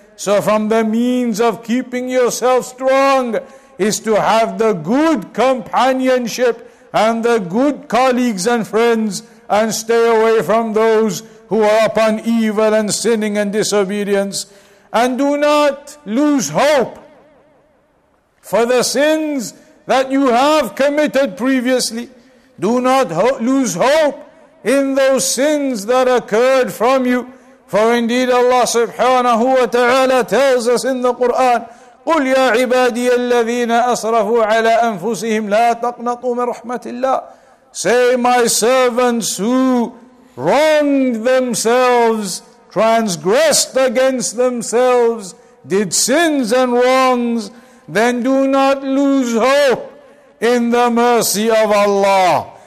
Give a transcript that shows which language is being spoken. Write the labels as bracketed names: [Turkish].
[English] So from the means of keeping yourself strong is to have the good companionship and the good colleagues and friends, and stay away from those who are upon evil and sinning and disobedience. And do not lose hope for the sins that you have committed previously. Do not lose hope in those sins that occurred from you. For indeed Allah subhanahu wa ta'ala tells us in the Qur'an, [Arabic] قُلْ يَا عِبَادِيَ الَّذِينَ أَصْرَفُوا عَلَىٰ أَنفُسِهِمْ لَا تَقْنَطُوا مِنْ رَحْمَةِ اللَّهِ. [English] Say, my servants who wronged themselves, transgressed against themselves, did sins and wrongs, then do not lose hope in the mercy of Allah.